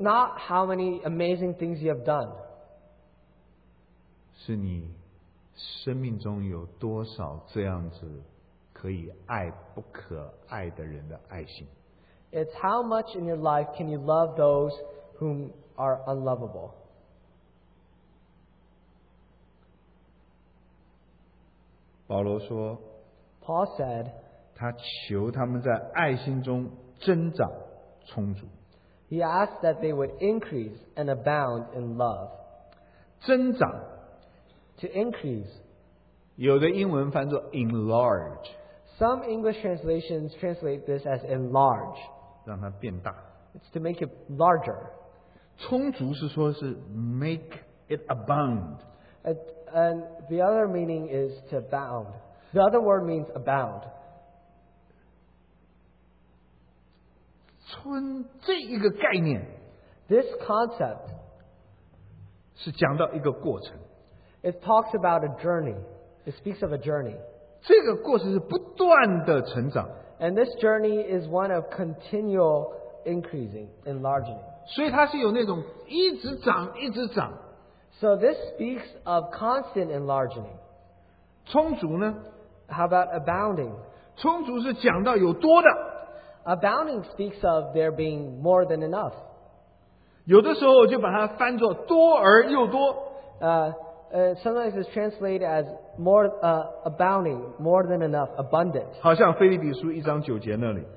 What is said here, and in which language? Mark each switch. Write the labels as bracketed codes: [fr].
[en] not how many amazing things you have done. [zh] 是你生命中有多少这样子可以爱不可爱的人的爱心。 [en] It's how much in your life can you love those whom are unlovable. [zh] 保罗说, [en] Paul said, [zh] 他求他们在爱心中增长充足。 [en] He asked that they would increase and abound in love. [zh] 增长, [en] to increase. [zh] 有的英文翻作 enlarge. [en] Some English translations translate this as enlarge. [zh] 让它变大。 [en] It's to make it larger. [zh] 充足是说是 [en] make it abound. And the other meaning is to abound. The other word means abound. [zh] 这一个概念, [en] this concept [zh] 是讲到一个过程。 [en] It talks about a journey. It speaks of a journey. [zh] 这个过程是不断的成长。 [en] And this journey is one of continual increasing, enlarging. [zh] 所以它是有那种一直涨, [en] So this speaks of constant enlarging. [zh] 充足呢? [en] How about abounding? [zh] 充足是讲到有多的。 [en] Abounding speaks of there being more than enough. [zh] 有的时候就把它翻作多而又多。 [en] Sometimes it's translated as more abounding, more than enough, abundant. [zh] 好像腓立比书一章九节那里。